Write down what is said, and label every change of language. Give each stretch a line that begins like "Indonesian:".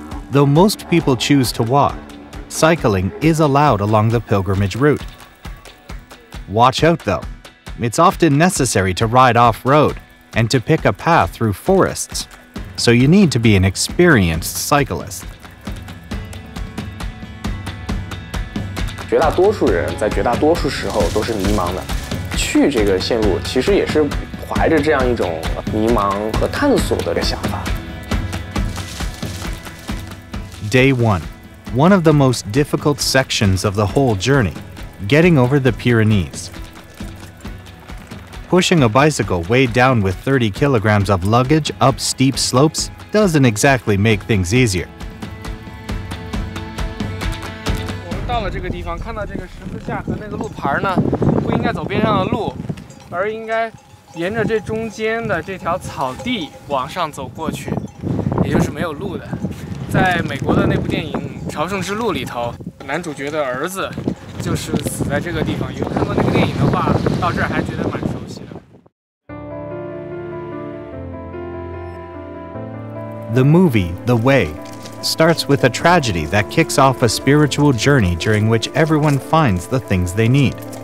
English: Though most people choose to walk, cycling is allowed along the pilgrimage route. Watch out though, it's often necessary to ride off-road and to pick a path through forests. So you need to be an experienced cyclist.
Chinese: 绝大多数人在绝大多数时候都是迷茫的，去这个线路其实也是怀着这样一种迷茫和探索的想法。
English: Day 1, one of the most difficult sections of the whole journey, getting over the Pyrenees. Pushing a bicycle weighed down with 30 kilograms of luggage up steep slopes doesn't exactly make things easier. We've reached this place, seeing the cross and the road sign, we should go on the opposite side of the road.
Chinese: 而应该沿着这中间的这条草地往上走过去，也就是没有路的。在美国的那部电影《朝圣之路》里头，男主角的儿子就是死在这个地方。有看过那个电影的话，到这儿还觉得蛮熟悉的。
English: The movie The Way starts with a tragedy that kicks off a spiritual journey during which everyone finds the things they need.